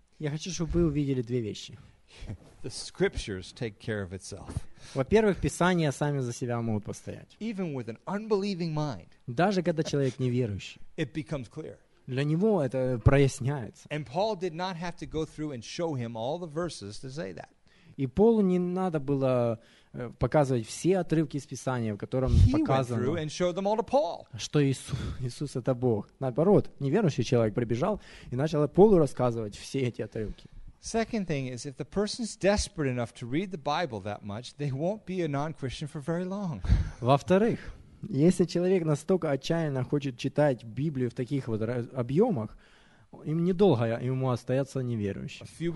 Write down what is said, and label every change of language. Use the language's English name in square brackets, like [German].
[Russian] Я хочу, чтобы вы увидели две вещи. [English] The scriptures take care of itself. [Russian] Во-первых, Писания сами за себя могут постоять. [English] Even with an unbelieving mind, [Russian] даже когда человек неверующий, [English] it becomes clear. [Russian] Для него это проясняется. [English] And Paul did not have to go through and show him all the verses to say that. [Russian] И Полу не надо было показывать все отрывки из Писания, в котором показано, что Иисус это Бог. Наоборот, неверующий человек прибежал и начал Полу рассказывать все эти отрывки. [English] Second thing is, if the person's desperate enough to read the Bible that much, they won't be a non-Christian for very long. [Russian] Во-вторых, если человек настолько отчаянно хочет читать Библию в таких вот объемах, им недолго ему остается неверующим.